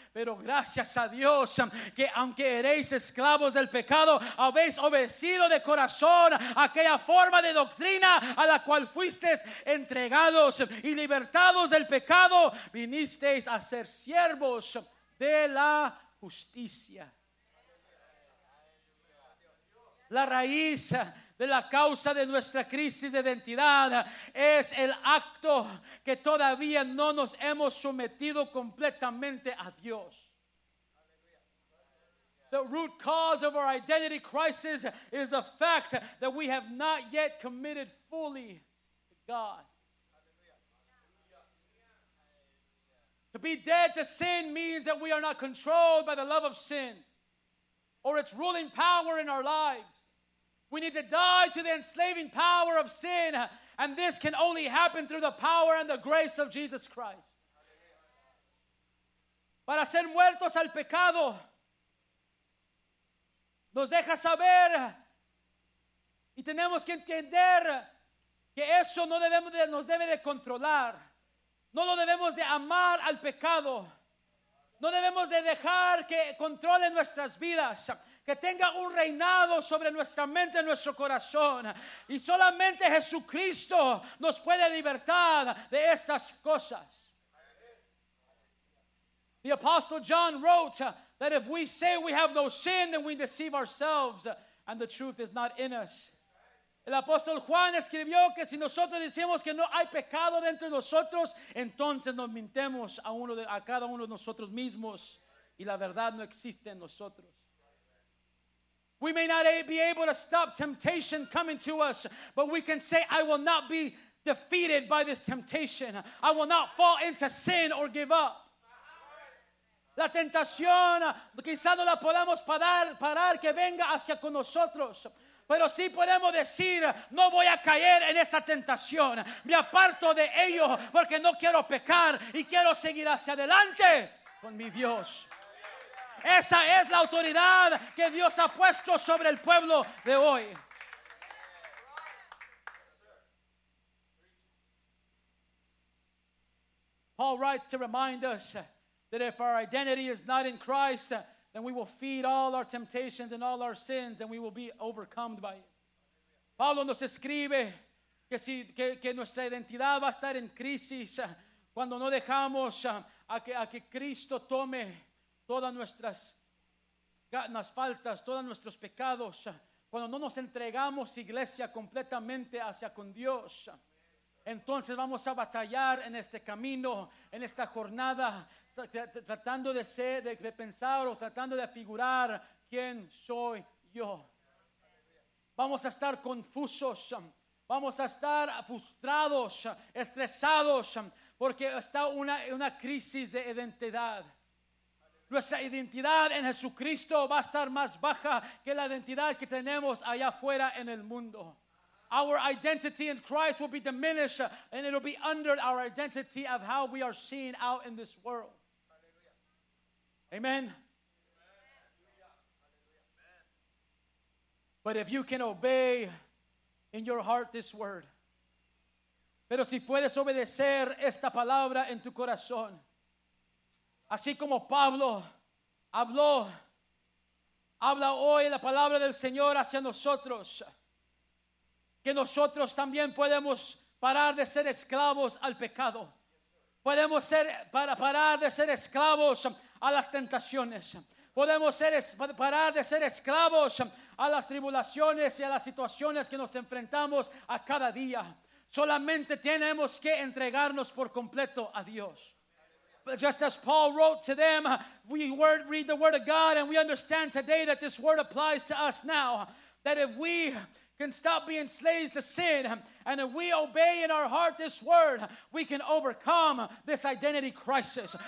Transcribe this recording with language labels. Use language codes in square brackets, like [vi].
[es] Pero gracias a Dios que aunque eréis esclavos del pecado, habéis obedecido de corazón aquella forma de doctrina a la cual fuisteis entregados, y libertados del pecado vinisteis a ser siervos de la justicia. La raíz de la causa de nuestra crisis de identidad es el acto que todavía no nos hemos sometido completamente a Dios. [en] The root cause of our identity crisis is the fact that we have not yet committed fully to God. To be dead to sin means that we are not controlled by the love of sin or its ruling power in our lives. We need to die to the enslaving power of sin, and this can only happen through the power and the grace of Jesus Christ. [es] Para ser muertos al pecado, nos deja saber, y tenemos que entender que eso no debemos de, nos debe de controlar. No lo debemos de amar al pecado. No debemos de dejar que controle nuestras vidas, que tenga un reinado sobre nuestra mente y nuestro corazón. Y solamente Jesucristo nos puede libertar de estas cosas. [en] The Apostle John wrote that if we say we have no sin, then we deceive ourselves and the truth is not in us. [es] El apóstol Juan escribió que si nosotros decimos que no hay pecado dentro de nosotros, entonces nos mintemos a cada uno de nosotros mismos, y la verdad no existe en nosotros. [en] We may not be able to stop temptation coming to us, but we can say, I will not be defeated by this temptation. I will not fall into sin or give up. [es] La tentación, quizá no la podamos parar que venga hacia con nosotros. Pero sí podemos decir, no voy a caer en esa tentación. Me aparto de ello porque no quiero pecar y quiero seguir hacia adelante con mi Dios. Esa es la autoridad que Dios ha puesto sobre el pueblo de hoy. [en] Paul writes to remind us that if our identity is not in Christ, then we will feed all our temptations and all our sins, and we will be overcome by it. [es] Pablo nos escribe que nuestra identidad va a estar en crisis cuando no dejamos a que Cristo tome todas nuestras ganas, faltas, todos nuestros pecados, cuando no nos entregamos, iglesia, completamente hacia con Dios. Entonces vamos a batallar en este camino, en esta jornada, tratando de ser, de pensar o tratando de figurar quién soy yo. Vamos a estar confusos, vamos a estar frustrados, estresados, porque está una crisis de identidad. Nuestra identidad en Jesucristo va a estar más baja que la identidad que tenemos allá afuera en el mundo. [en] our identity in Christ will be diminished, and it'll be under our identity of how we are seen out in this world. Amen. Amen. But if you can obey in your heart this word, [es] pero si puedes obedecer esta palabra en tu corazón, así como Pablo habló, habla hoy la palabra del Señor hacia nosotros, que nosotros también podemos parar de ser esclavos al pecado. Podemos ser para parar de ser esclavos a las tentaciones. Podemos ser parar de ser esclavos a las tribulaciones y a las situaciones que nos enfrentamos a cada día. Solamente tenemos que entregarnos por completo a Dios. [en] Just as Paul wrote to them, we read the word of God, and we understand today that this word applies to us now. That if we can stop being slaves to sin, and if we obey in our heart this word, we can overcome this identity crisis.